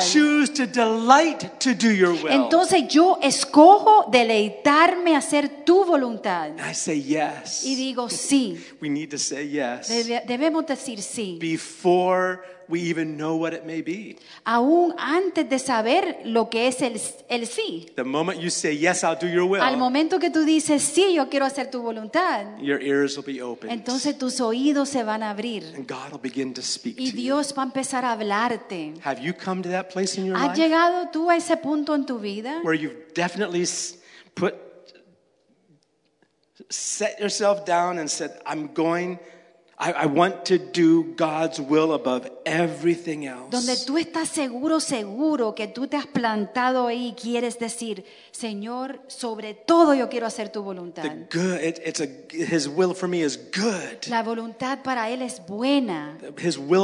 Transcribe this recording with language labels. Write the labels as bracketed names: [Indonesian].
[English] So I choose to delight to do your will. [Spanish] Entonces yo escojo deleitarme a hacer tu voluntad. [English] And I say yes. [Spanish] Y digo sí. [English] We need to say yes. [Spanish] Debemos decir sí. [English] Before we even know what it may be. [Spanish] Aún antes de saber lo que es el sí. [English] The moment you say yes, I'll do your will. [Spanish] Al momento que tú dices sí, yo quiero hacer tu voluntad. [English] Your ears will be opened. [Spanish] Entonces tus oídos se van a abrir. [English] And God will begin to speak to you. [Spanish] Y Dios va a empezar a hablarte. [English] Have you come to that place in your life? [Spanish] ¿Has llegado tú a ese punto en tu vida? [English] Where you've definitely set yourself down and said, I'm going. I want to do God's will above everything else. [Spanish] Donde tú estás seguro que tú te has plantado ahí y quieres decir, Señor, sobre todo yo quiero hacer tu voluntad. [English] His will for me is good. [Spanish] La voluntad para él es buena. [English] His will